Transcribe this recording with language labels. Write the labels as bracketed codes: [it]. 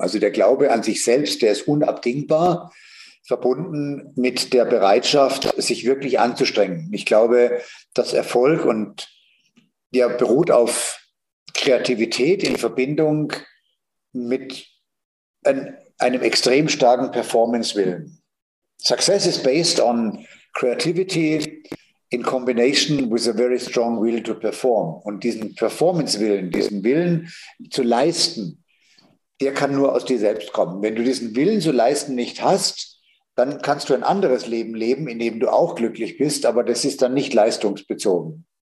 [de] Also der Glaube an sich selbst, der ist unabdingbar, verbunden mit der Bereitschaft, sich wirklich anzustrengen. Ich glaube, dass Erfolg und der beruht auf Kreativität in Verbindung mit einem extrem starken Performance-Willen. [en] Success is based on creativity in combination with a very strong will to perform. [de] Und diesen Performance-Willen, diesen Willen zu leisten, der kann nur aus dir selbst kommen. Wenn du diesen Willen zu leisten nicht hast, dann kannst du ein anderes Leben leben, in dem du auch glücklich bist, aber das ist dann nicht leistungsbezogen.